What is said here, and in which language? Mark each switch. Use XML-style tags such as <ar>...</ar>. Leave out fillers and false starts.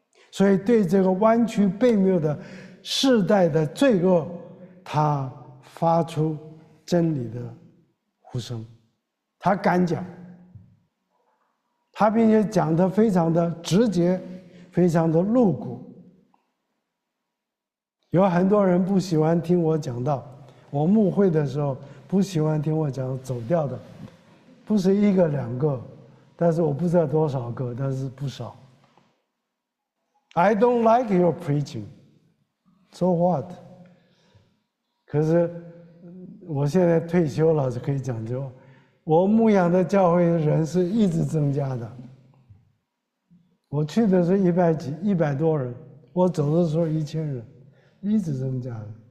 <zh>所以对这个弯曲悖谬的世代的罪恶，他发出真理的呼声，他敢讲，他并且讲得非常的直接，非常的露骨。有很多人不喜欢听我讲道，我牧会的时候不喜欢听我讲走掉的不是一个两个，但是我不知道多少个，但是不少。</zh> <en>I don't like your preaching, so what?</en> <zh>可是我现在退休了，是可以讲究，我牧养的教会人是一直增加的。我去的是100多人，我走的时候1000人，一直增加的。</zh>